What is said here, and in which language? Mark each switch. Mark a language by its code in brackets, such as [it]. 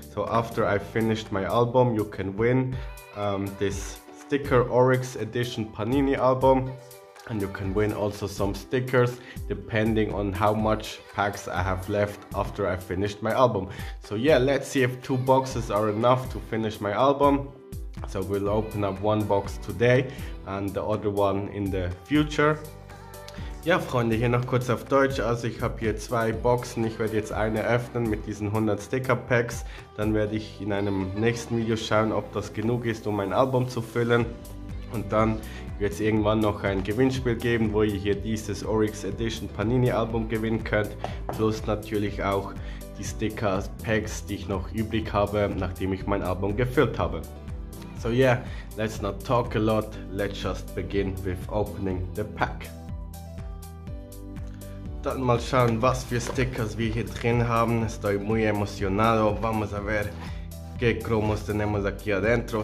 [en] So after I finished my album, you can win this sticker Oryx edition Panini album, and you can win also some stickers depending on how much packs I have left after I finished my album. So yeah, let's see if two boxes are enough to finish my album. So we'll open up one box today and the other one in the future. [de] Ja, Freunde, hier noch kurz auf Deutsch. Also ich habe hier zwei Boxen. Ich werde jetzt eine öffnen mit diesen 100 Sticker-Packs. Dann werde ich in einem nächsten Video schauen, ob das genug ist, um mein Album zu füllen. Und dann wird es irgendwann noch ein Gewinnspiel geben, wo ihr hier dieses Oryx Edition Panini-Album gewinnen könnt. Plus natürlich auch die Sticker-Packs, die ich noch übrig habe, nachdem ich mein Album gefüllt habe. [en] So yeah, let's not talk a lot. Let's just begin with opening the pack. [de] Dann mal schauen, was für Stickers wir hier drin haben. [es] Estoy muy emocionado. Vamos a ver qué cromos tenemos aquí adentro.